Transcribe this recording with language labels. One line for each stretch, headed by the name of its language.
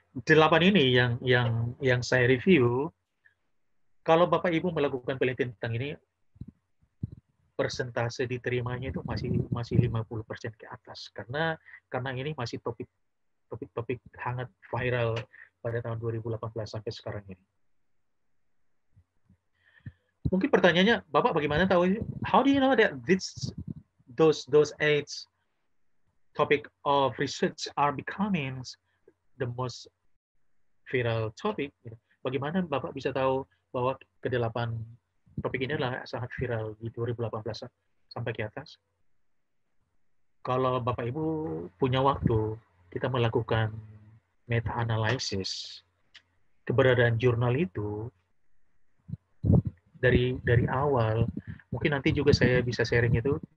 Indonesian: Delapan ini yang saya review. Kalau Bapak-Ibu melakukan penelitian tentang ini, persentase diterimanya itu masih 50% ke atas. Karena ini masih topik hangat viral pada tahun 2018 sampai sekarang ini. Mungkin pertanyaannya, Bapak bagaimana tahu,
English: how do you know that those eight topic of research are becoming the most viral topic?
Indonesian: Bagaimana Bapak bisa tahu bahwa kedelapan topik ini adalah sangat viral di 2018 sampai ke atas? Kalau Bapak-Ibu punya waktu, kita melakukan meta-analysis keberadaan jurnal itu dari awal, mungkin nanti juga saya bisa sharing itu.